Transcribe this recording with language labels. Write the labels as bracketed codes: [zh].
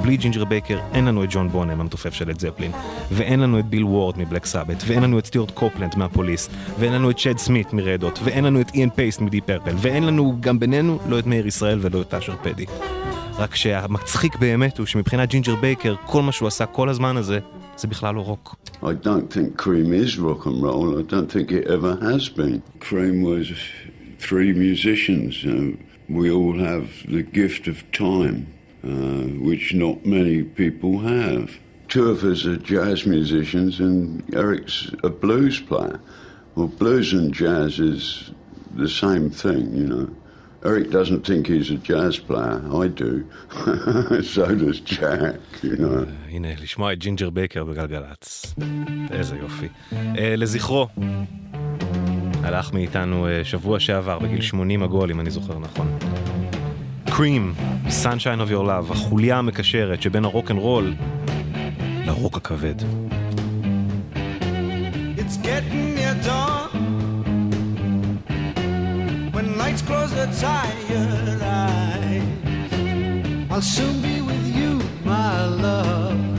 [he] בלי ג'ינג'ר בייקר אין לנו את ג'ון בונם המתופף של את זפלין, ואין לנו את ביל וורד מבלק סאבט, ואין לנו את סטיוארט קופלנד מהפוליס, ואין לנו את צ'אד סמית מרדות, ואין לנו את איאן פייסט מדי פרפל, ואין לנו גם בינינו לא את מאיר ישראל ולא את אשר פדי. רק שהמצחיק באמת הוא שמבחינת ג'ינג'ר בייקר, כל מה שהוא עשה כל הזמן הזה, זה בכלל לא רוק. [en] I don't think Cream is rock and roll. I don't think it ever has been. Cream was three musicians. We all have the gift of time, which not many people have. Two of us are jazz musicians, and Eric's a blues player. Well, blues and jazz is the same thing, you know. Eric doesn't think he's a jazz player. I do. So does Jack, you know. [he] הנה, לשמוע את ג'ינג'ר בייקר בגלגלץ. איזה יופי. לזכרו, הלך מאיתנו שבוע שעבר, בגיל 80 עגול, אם אני זוכר נכון. Cream, Sunshine of Your Love, החוליה המקשרת שבין הרוק אנד רול לרוק הכבד. [en] It's getting near dawn When lights close their tired eyes I'll soon be with you, my love